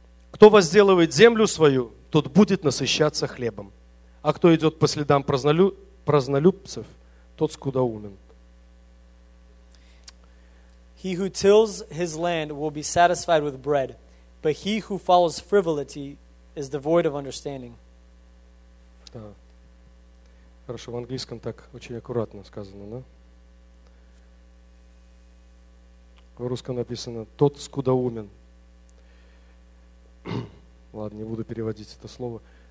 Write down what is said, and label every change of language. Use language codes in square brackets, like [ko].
[ru] Кто возделывает землю свою, тот будет насыщаться хлебом. А кто идет по следам празднолюбцев, тот скудоумен. [en] He who tills his land will be satisfied with bread, but he who follows frivolity is devoid of understanding. [ru] Да. Хорошо, в английском так очень аккуратно сказано, да? В русском написано «тот скудоумен». Ладно, не буду переводить это слово.